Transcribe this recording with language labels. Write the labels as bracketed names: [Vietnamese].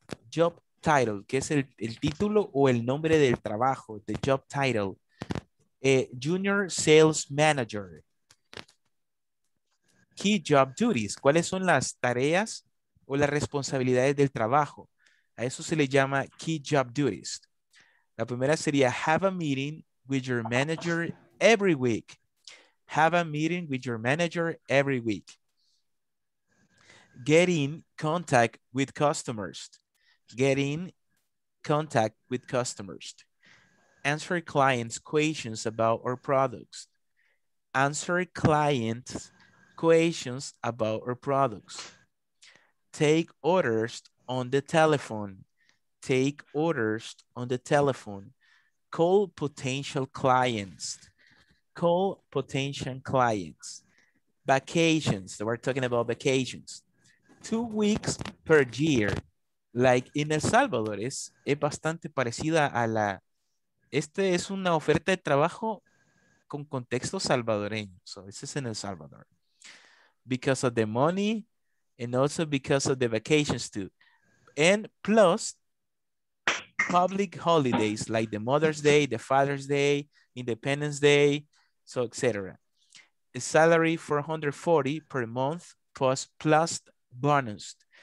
[Spanish] Job title, que es el título o el nombre del trabajo, [English] the job title. Junior Sales Manager. Key job duties. [Spanish] ¿Cuáles son las tareas o las responsabilidades del trabajo? A eso se le llama key job duties. La primera sería [English] have a meeting with your manager every week. Have a meeting with your manager every week. Get in contact with customers. Get in contact with customers. Answer clients' questions about our products. Answer clients' questions about our products. Take orders on the telephone. Take orders on the telephone. Call potential clients. Call potential clients. Vacations. So we're talking about vacations. 2 weeks per year. Like in [Spanish] El Salvador, es bastante parecida a la... Este es una oferta de trabajo con contexto salvadoreño. [English] So this is in El Salvador. Because of the money and also because of the vacations too. And plus public holidays like the Mother's Day, the Father's Day, Independence Day, so etc. A salary $440 per month plus bonus.